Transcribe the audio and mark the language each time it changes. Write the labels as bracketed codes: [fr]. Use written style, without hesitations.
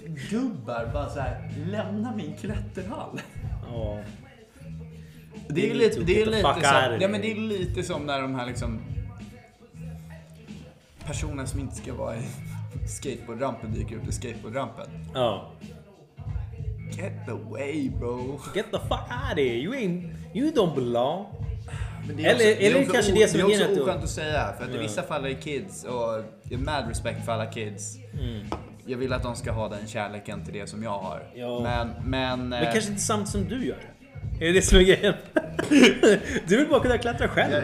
[sv] Gubbar bara så här, lämna min klätterhall. Ja. Det är ju lite, det är lite som, ja, men det är lite som när de här liksom personer som inte ska vara i skateboardrampen dyker upp i skateboardrampen. Ja. [en] Get the way, bro. Get the fuck out of here. You ain't, you don't belong. [sv] Eller kanske det som är också oskönt att säga, för att i vissa fall är kids och jag har [en] mad respect [sv] för alla kids. Mm. Jag vill att de ska ha den kärleken till det som jag har. Jo. Men kanske inte samt som du gör. Är det som är grejen? Du vill bara kunna klättra själv.